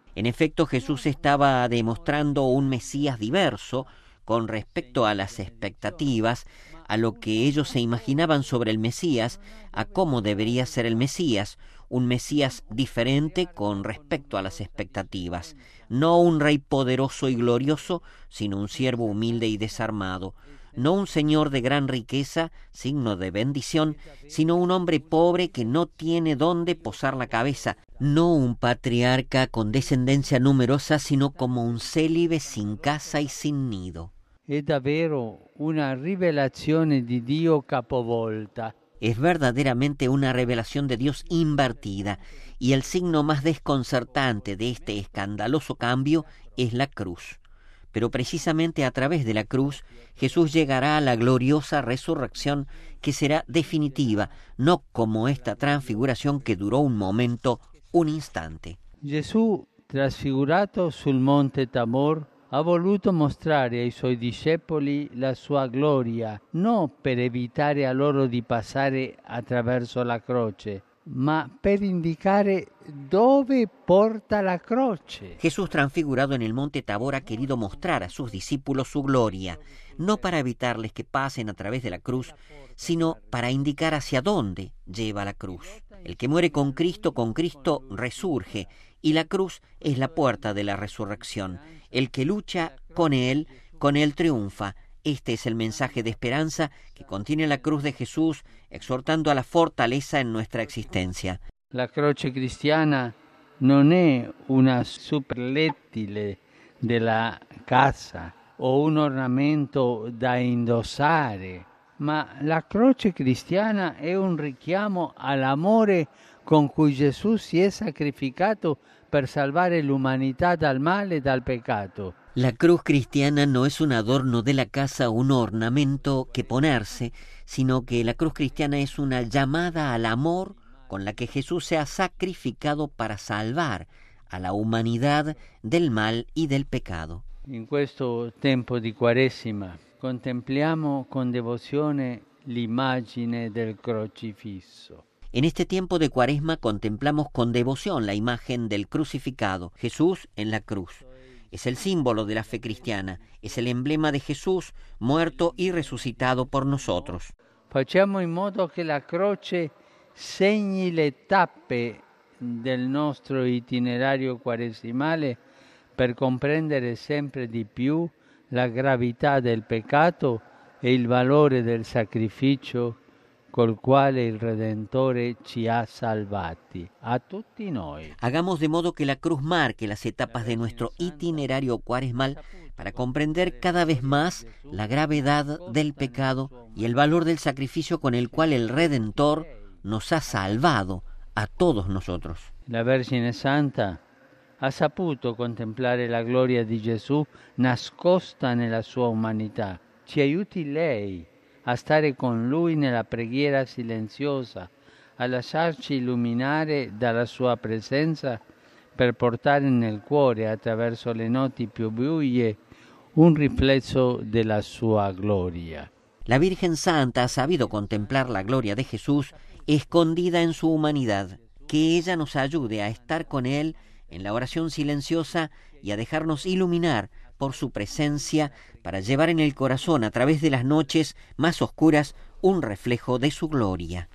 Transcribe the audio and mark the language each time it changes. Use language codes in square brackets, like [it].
[es] En efecto, Jesús estaba demostrando un Mesías diverso con respecto a las expectativas, a lo que ellos se imaginaban sobre el Mesías, a cómo debería ser el Mesías, un Mesías diferente con respecto a las expectativas, no un rey poderoso y glorioso, sino un siervo humilde y desarmado, no un señor de gran riqueza, signo de bendición, sino un hombre pobre que no tiene dónde posar la cabeza, no un patriarca con descendencia numerosa, sino como un célibe sin casa y sin nido. [it] È davvero una rivelazione di Dio capovolta. [es] Es verdaderamente una revelación de Dios invertida, y el signo más desconcertante de este escandaloso cambio es la cruz. Pero precisamente a través de la cruz, Jesús llegará a la gloriosa resurrección que será definitiva, no como esta transfiguración que duró un momento, un instante. [it] Jesús, trasfigurato sul monte Tabor, ha voluto mostrare ai suoi discepoli la sua gloria, non per evitare a loro di passare attraverso la croce, ma per indicare dove porta la croce. [es] Jesús transfigurado en el monte Tabor ha querido mostrar a sus discípulos su gloria, no para evitarles que pasen a través de la cruz, sino para indicar hacia dónde lleva la cruz. El que muere con Cristo resurge, y la cruz es la puerta de la resurrección. El que lucha con él triunfa. Este es el mensaje de esperanza que contiene la cruz de Jesús, exhortando a la fortaleza en nuestra existencia. [it] La croce cristiana [es] no es una superlétile de la casa [it] o un ornamento da indossare, ma la croce cristiana es un richiamo all'amore con cui Gesù si è sacrificato per salvare l'umanità dal male e dal peccato. [es] La cruz cristiana no es un adorno de la casa o un ornamento que ponerse, sino que la cruz cristiana es una llamada al amor con la que Jesús se ha sacrificado para salvar a la humanidad del mal y del pecado. En este tiempo de Cuaresima, contemplamos con devoción la imagen del crucifijo. En este tiempo de Cuaresma, contemplamos con devoción la imagen del crucificado, Jesús en la cruz. Es el símbolo de la fe cristiana, es el emblema de Jesús muerto y resucitado por nosotros. [it] Facciamo in modo che la croce segni le tappe del nostro itinerario quaresimale per comprendere sempre di più la gravità del peccato e il valore del sacrificio col quale il Redentore ci ha salvati, a tutti noi. [es] Hagamos de modo que la cruz marque las etapas de nuestro itinerario cuaresmal para comprender cada vez más la gravedad del pecado y el valor del sacrificio con el cual el Redentor nos ha salvado a todos nosotros. [it] La Vergine Santa ha saputo contemplare la gloria di Gesù nascosta nella sua umanità. Ci aiuti lei a stare con Lui nella preghiera silenziosa, a lasciarci illuminare dalla Sua presenza per portare nel cuore, attraverso le notti più buie, un riflesso della Sua gloria. [es] La Virgen Santa ha sabido contemplar la gloria de Jesús escondida en su humanidad. Que ella nos ayude a estar con Él en la oración silenciosa y a dejarnos iluminar por su presencia, para llevar en el corazón, a través de las noches más oscuras, un reflejo de su gloria.